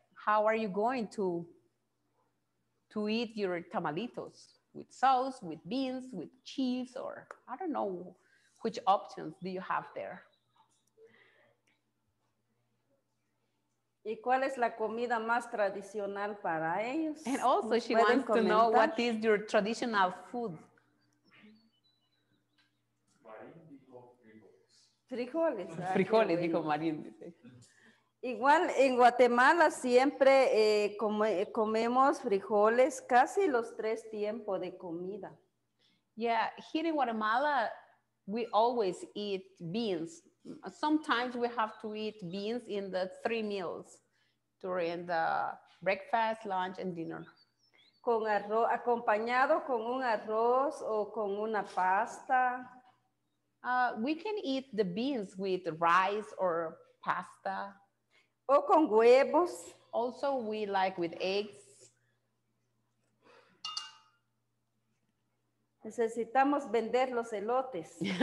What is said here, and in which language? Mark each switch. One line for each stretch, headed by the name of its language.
English: How are you going to eat your tamalitos? With sauce, with beans, with cheese, or I don't know, which options do you have there?
Spanish: ¿Y cuál es la comida más tradicional para ellos?
English: And also she wants to know what is your traditional food.
Spanish: Frijoles, dijo Marín. Igual en Guatemala siempre comemos frijoles casi los 3 tiempos de comida.
English: Yeah, here in Guatemala we always eat beans. Sometimes we have to eat beans in the 3 meals. During the breakfast, lunch, and dinner.
Spanish: Con arroz, acompañado con un arroz o con una pasta.
English: We can eat the beans with rice or pasta.
Spanish: O con huevos.
English: Also, we like with eggs.
Spanish: Necesitamos vender los elotes.